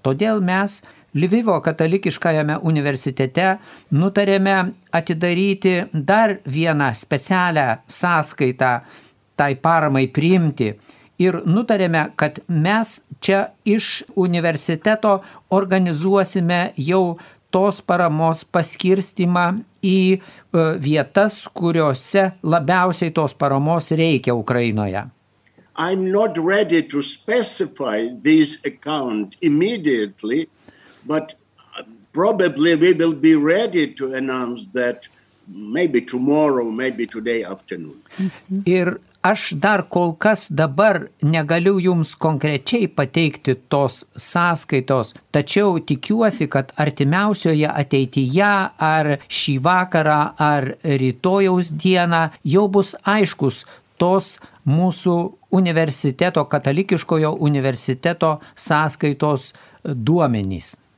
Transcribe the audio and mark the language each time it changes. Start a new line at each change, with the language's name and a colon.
Lithuanian: Todėl mes Lvivo katalikiškajame universitete nutarėme atidaryti dar vieną specialią sąskaitą tai paramai priimti. Ir nutarėme, kad mes čia iš universiteto organizuosime jau tos paramos paskirstimą į vietas, kuriuose labiausiai tos paramos reikia Ukrainoje.
English: I'm not ready to specify this account immediately, but probably we will be ready to announce that maybe tomorrow, maybe today afternoon.
Lithuanian: Ir aš dar kol kas dabar negaliu jums konkrečiai pateikti tos sąskaitos, tačiau tikiuosi, kad artimiausioje ateityje ar šį vakarą ar rytojaus dieną jau bus aiškus tos mūsų universiteto, katalikiškojo universiteto sąskaitos duomenys.